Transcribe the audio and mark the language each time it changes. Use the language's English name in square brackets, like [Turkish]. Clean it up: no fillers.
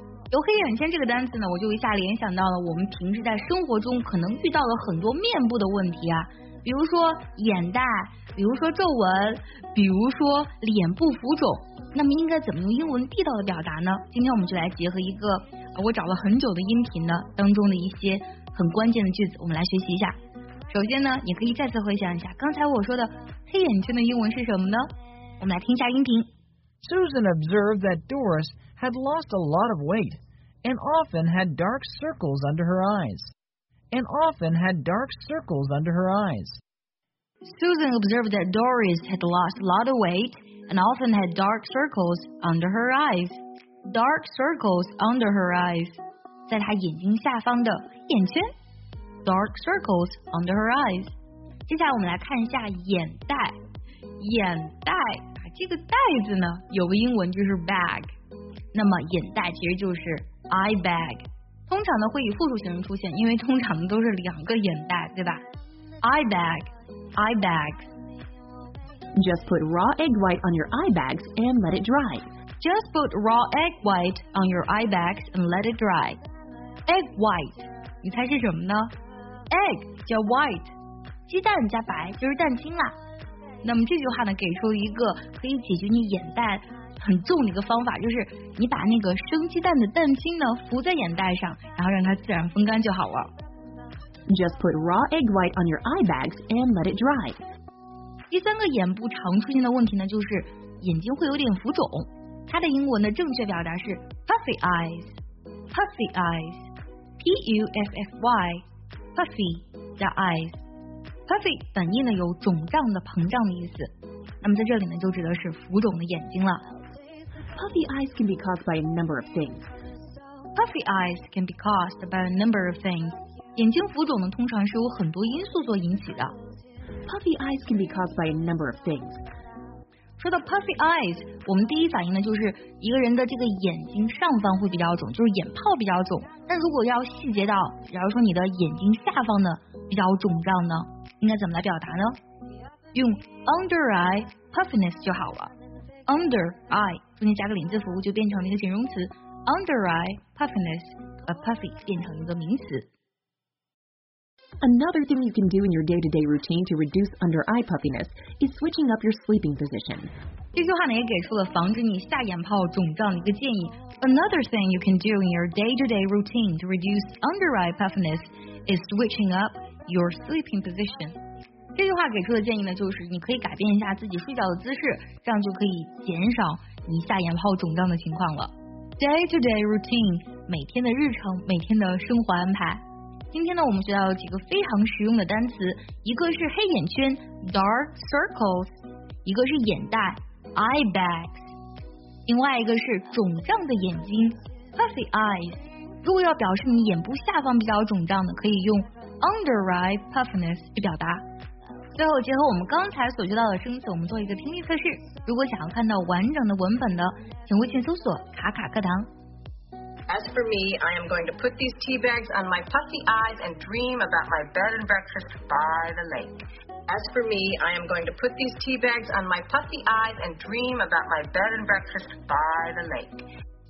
[Chinese] 由黑眼圈这个单词呢，我就一下联想到了我们平时在生活中可能遇到了很多面部的问题啊，比如说眼袋，比如说皱纹，比如说脸部浮肿。那么应该怎么用英文地道的表达呢？今天我们就来结合一个我找了很久的音频呢当中的一些很关键的句子，我们来学习一下。首先呢，你可以再次回想一下刚才我说的黑眼圈的英文是什么呢？我们来听一下音频。 [English] Susan observed that Doris had lost a lot of weight and often had dark circles under her eyes. And often had dark circles under her eyes. Susan observed that Doris had lost a lot of weight and often had dark circles under her eyes. Dark circles under her eyes. [Chinese] 在她眼睛下方的眼圈。 [English] Dark circles under her eyes. [Chinese] 接下来我们来看一下眼袋。眼袋，这个袋子呢，有个英文就是 bag。那么眼袋其实就是 eye bag。通常呢会以复数形式出现，因为通常都是两个眼袋，对吧 ？Eye bag, eye bag. [English] Just put raw egg white on your eye bags and let it dry. Just put raw egg white on your eye bags and let it dry. [Chinese] Egg white. 你猜是什么呢？ Egg 叫 white， 鸡蛋加白就是蛋清啦。那么这句话呢，给出一个可以解决你眼袋很重的一个方法，就是你把那个生鸡蛋的蛋清呢浮在眼袋上，然后让它自然风干就好了。 [English] Just put raw egg white on your eye bags and let it dry。 [Chinese] 第三个眼部常出现的问题呢，就是眼睛会有点浮肿，它的英文的正确表达是 puffy eyes， puffy eyes。 [English] P-U-F-F-Y Puffy the eyes. [Chinese] Puffy 本意呢有肿胀的膨胀的意思，那么在这里呢就指的是浮肿的眼睛了。 [English] Puffy eyes can be caused by a number of things. Puffy eyes can be caused by a number of things. [Chinese] 眼睛浮肿呢通常是由很多因素所引起的。 [English] Puffy eyes can be caused by a number of things. [Chinese] 说到 puffy eyes， 我们第一反应呢就是一个人的这个眼睛上方会比较肿，就是眼泡比较肿。那如果要细节到，比方说你的眼睛下方的比较肿胀呢，应该怎么来表达呢？用 under eye puffiness 就好了。 under eye 中间加个连字符就变成了一个形容词 ，under eye puffiness， 把 puffy 变成一个名词。 [English] Another thing you can do in your day-to-day routine to reduce under eye puffiness is switching up your sleeping position. [Chinese] 这句话呢也给出了防止你下眼泡肿胀的一个建议。 [English] Another thing you can do in your day-to-day routine to reduce under eye puffiness is switching up your sleeping position. [Chinese] 这句话给出的建议呢，就是你可以改变一下自己睡觉的姿势，这样就可以减少你下眼泡肿胀的情况了。 Day-to-day routine， 每天的日程，每天的生活安排。今天呢，我们学到了几个非常实用的单词，一个是黑眼圈 dark circles， 一个是眼袋 eye bags， 另外一个是肿胀的眼睛 puffy eyes。如果要表示你眼部下方比较肿胀的，可以用 under eye puffiness 去表达。最后结合我们刚才所学到的生词，我们做一个听力测试。如果想要看到完整的文本的，请微信搜索卡卡课堂。 [English] As for me, I am going to put these tea bags on my puffy eyes and dream about my bed and breakfast by the lake. As for me, I am going to put these tea bags on my puffy eyes and dream about my bed and breakfast by the lake.